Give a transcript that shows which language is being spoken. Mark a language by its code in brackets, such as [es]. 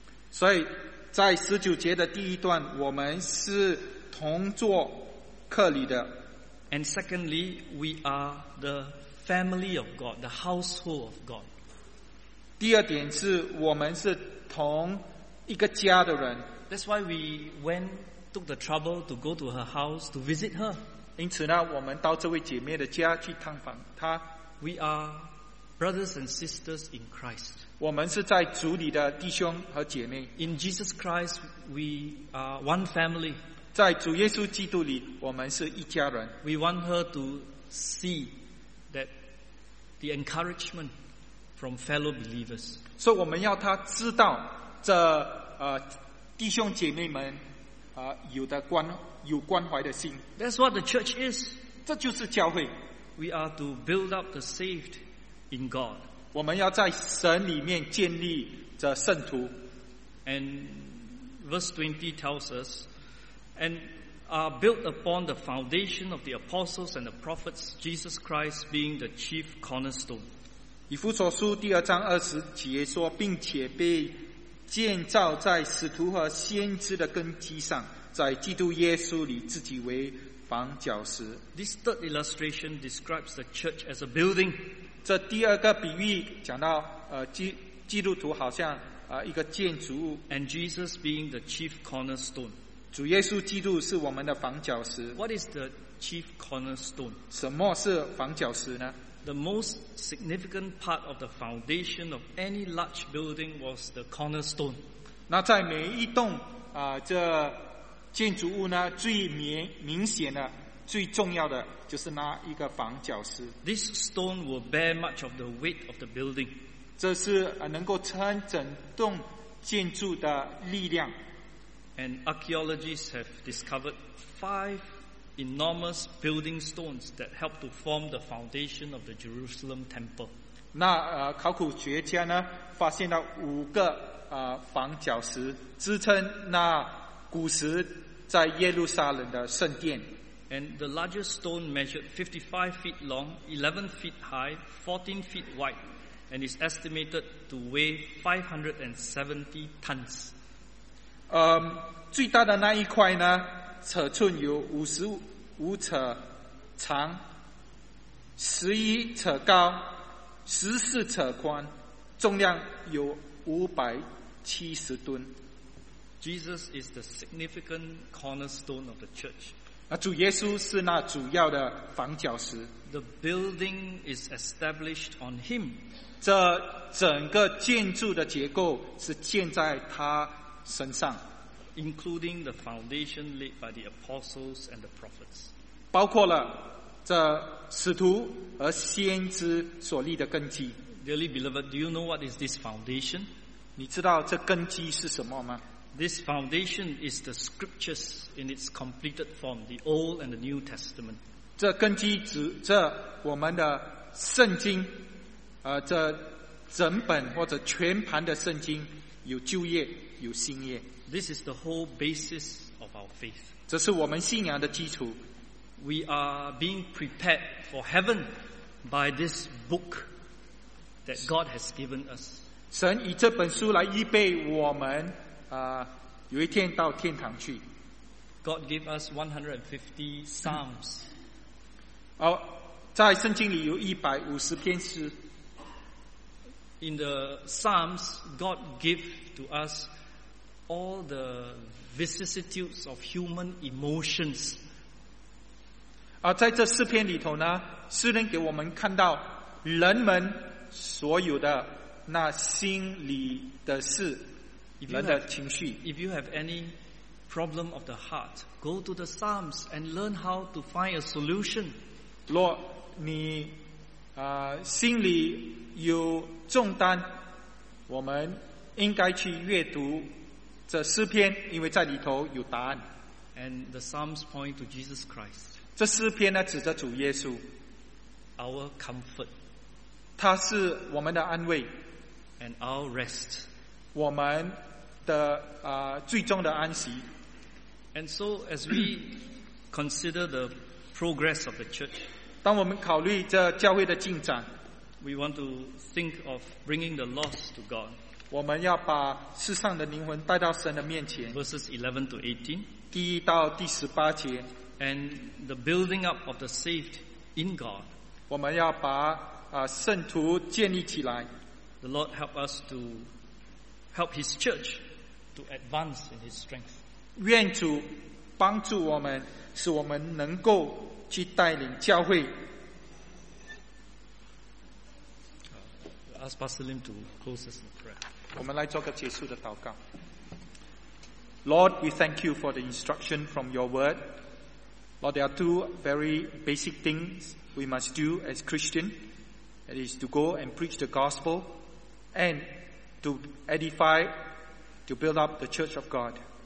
[zh] 所以在19节的第一段，我们是同坐客里的。 [en] And secondly, we are the family of God, the household of God. [zh] 第二点是我们是同一个家的人。 [en] That's why we went, took the trouble to go to her house to visit her. [zh] 因此呢，我们到这位姐妹的家去探访她。 [en] We areBrothers and sisters in Christ. [zh] 我们是在主里的弟兄和姐妹。 [en] In Jesus Christ, we are one family. [zh] 在主耶稣基督里，我们是一家人。 [en] We want her to see that the encouragement from fellow believers. [zh] 所以我们要她知道这弟兄姐妹们有关怀的心。 [en] That's what the church is. [zh] 这就是教会。 [en] We are to build up the saved. In God, [zh] 我们要在神里面建立这圣徒。 [en] And verse 20 tells us, and are built upon the foundation of the apostles and the prophets, Jesus Christ being the chief cornerstone. [zh] 以弗所书第二章二十节说，并且被建造在使徒和先知的根基上，在基督耶稣里自己为房角石。 [en] This third illustration describes the church as a building. [zh] 这第二个比喻讲到基督徒好像一个建筑物。 [en] And Jesus being the chief cornerstone. [zh] 主耶稣基督是我们的房角石。 [en] What is the chief cornerstone? [zh] 什么是房角石呢？ [en] The most significant part of the foundation of any large building was the cornerstone. [zh] 那在每一栋这建筑物呢，最明显的最重要的就是那一个房角石。 [en] This stone will bear much of the weight of the building. [zh] 这是能够撑整栋建筑的力量。 [en] And archaeologists have discovered 5 enormous building stones that help to form the foundation of the Jerusalem temple. [zh] 那考古学家呢，发现了五个房角石，支撑那古时在耶路撒冷的圣殿。 [en] And the largest stone measured 55 feet long, 11 feet high, 14 feet wide, and is estimated to weigh 570 tons. [zh] 最大的那一块呢，尺寸有55尺长，11尺高，14尺宽，重量有570吨。 [en] Jesus is the significant cornerstone of the church. [zh] 那主耶稣是那主要的房角石。 [en] The building is established on him. [zh] 这整个建筑的结构是建在他身上。 [en] Including the foundation laid by the apostles and the prophets. [zh] 包括了这使徒和先知所立的根基。 [en] Dearly beloved, do you know what is this foundation? [zh] 你知道这根基是什么吗？ [en] This foundation is the scriptures in its completed form, the Old and the New Testament. [zh] 这根基指着我们的圣经，这整本或者全盘的圣经，有旧约，有新约。 [en] This is the whole basis of our faith. [zh] 这是我们信仰的基础。 [en] We are being prepared for heaven by this book that God has given us. [zh] 神以这本书来预备我们有一天到天堂去。 [en] God gave us 150 psalms. [zh] 在圣经里有150篇诗。 [en] In the psalms, God gave to us all the vicissitudes of human emotions. [zh] 在这诗篇里头呢，诗人给我们看到人们所有的那心里的事。 [en] If you have any problem of the heart, go to the Psalms and learn how to find a solution. [zh] 若你心里有重担，我们应该去阅读这诗篇，因为在里头有答案。 [en] And the Psalms point to Jesus Christ. [zh] 这诗篇呢，指着主耶稣。 [en] Our comfort. [zh] 他是我们的安慰。 [en] And our rest. [zh] 我们的最终的安息。 [en] And so as we consider the progress of the church, [zh] 当我们考虑这教会的进展， [en] we want to think of bringing the lost to God. [zh] 我们要把世上的灵魂带到神的面前。 [en] Verses 11 to 18, [zh] 第一到第十八节。 [en] And the building up of the saved in God. [zh] 我们要把圣徒建立起来。 [en] The Lord help us to help his church to advance in his strength. [zh] 愿主帮助我们，使我们能够去带领教会。 [en] Ask Pastor Lim to close us in prayer. [zh] 我们来做个结束的祷告。 [en] Lord, we thank you for the instruction from your word. Lord, there are two very basic things we must do as Christian. That is to go and preach the gospel and to edify, to build up the church of God.